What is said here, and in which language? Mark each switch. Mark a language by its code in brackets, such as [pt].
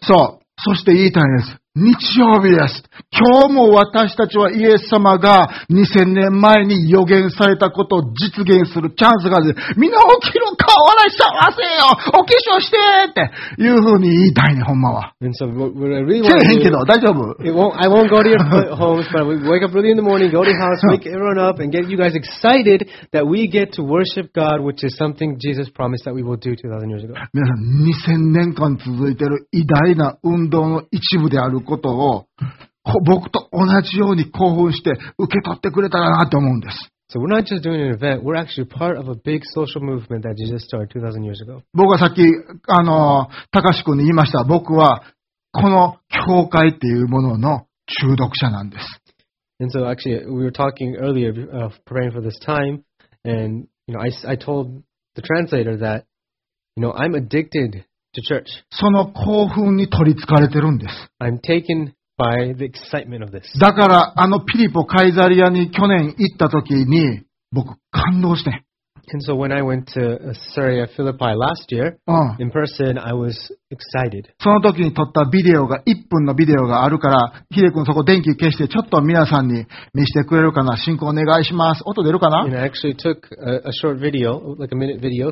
[ja] そう。そして言いたいです。日曜日です。今日も私たちはイエス様が2000年前に予言されたことを実現するチャンスがある。みんな起きろ、顔洗いしちゃわせよ、お化粧してっていうふうに言いたいね、ほんまは。 [en] So, really、 [ja] せえへんけど、大丈夫 [en] I won't go to your homes, but we wake up really in the morning, go to your house, wake everyone up, and get you guys excited that we get to worship God, which is something Jesus promised that we will do 2000 years ago. [ja] 皆さん、2000年間続いている偉大な運動の一部であることを僕と同じように興奮して受け取ってくれたらなと思うんです。 [en] So we're not just doing an event. We're actually part of a big social movement that Jesus started 2000 years ago. [ja] 僕はさっき高志君に言いました。僕はこの教会っていうものの中毒者なんです。 [en] And so actually we were talking earlier preparing for this time, and you know I told the translator that you know I'm addicted. Church. [ja] その興奮に取り憑かれてるんです。 [en] I'm taken by the excitement of this. [ja] だからあのピリポカイザリアに去年行った時に僕感動して。 [en] And so when I went to Caesarea Philippi last year, in person, I was excited. [ja] その時に撮ったビデオが1分のビデオがあるから、ヒデ君そこ電気消してちょっと皆さんに見せてくれるかな、進行お願いします。音出るかな？ [en] And I actually took a short video, like a minute video.